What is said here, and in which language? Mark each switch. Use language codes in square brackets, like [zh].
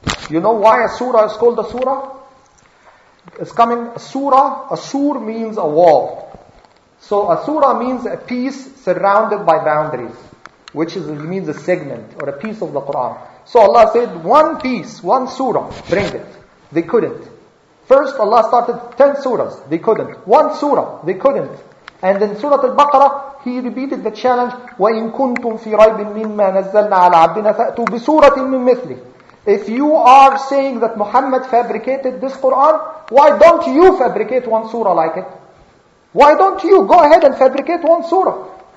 [en] You know why a surah is called a surah? It's coming, a surah, a sur means a wall. So a surah means a piece surrounded by boundaries, which is it means a segment or a piece of the Quran. So Allah said, one piece, one surah, bring it. They couldn't. First Allah started 10 surahs, they couldn't. One surah, they couldn't. And in Surah Al-Baqarah, He repeated the challenge, [ar] وَإِنْ كُنْتُمْ فِي رَيْبٍ مِّمَّا نَزَّلْنَا عَلَىٰ عَبْدِنَا فَأْتُوا بِسُورَةٍ مِّنْ مِثْلِهِ. [en] If you are saying that Muhammad fabricated this Quran, why don't you fabricate one surah like it? Why don't you go ahead and fabricate one surah?